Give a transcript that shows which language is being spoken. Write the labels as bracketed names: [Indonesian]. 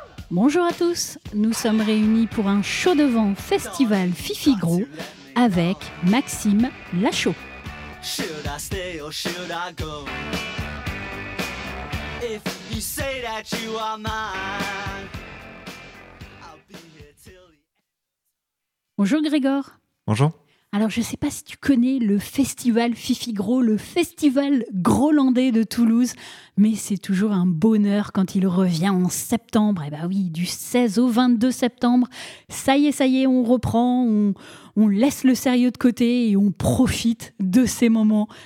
[French] Bonjour à tous, nous sommes réunis pour un chaud de vent festival Fifi Gros avec Maxime Lachaud. [English] Should I stay or should I go? If you say that you are mine, I'll be here till the end. [French] Bonjour Grégor. Bonjour. Alors, je ne sais pas si tu connais le festival Fifi Gros, le festival grolandais de Toulouse, mais c'est toujours un bonheur quand il revient en septembre. Eh bien oui, du 16 au 22 septembre, ça y est, on reprend, on laisse le sérieux de côté et on profite de ces moments.